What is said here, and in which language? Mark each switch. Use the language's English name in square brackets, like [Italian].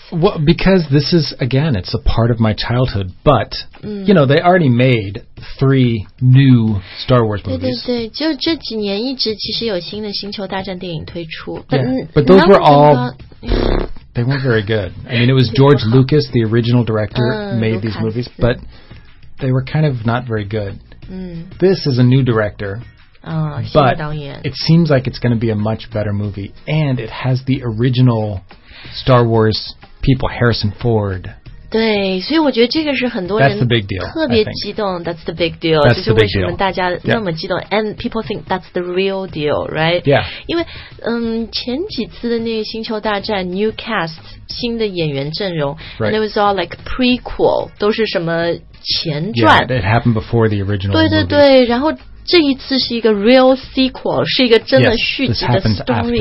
[English] Well, because this is again it's a part of my childhood but、you know they already made three new Star Wars movies [Chinese] 对对对就这几年一直其实有新的星球大战电影推出 [English] But those were all They weren't very good. I mean, it was George Lucas, the original director, made these movies, but they were kind of not very good. This is a new director, but it seems like it's going to be a much better movie, and it has the original Star Wars people, Harrison Ford. [Chinese] 对，所以我觉得这个是很多人 [English] the big deal, [Chinese] 特别激动 [English] That's the big deal That's [Chinese] 就是为什么大家那么激动、 [English] yeah. And people think that's the real deal, right? Yeah [Chinese] 因为、前几次的那个星球大战 [English] New cast [Chinese] 新的演员阵容、 [English] right. And it was all like prequel [Chinese] 都是什么前传 [English] Yeah, it happened before the original [Chinese] 对对对然后这一次是一个 [English] real sequel [Chinese] 是一个真的续集的 [English] story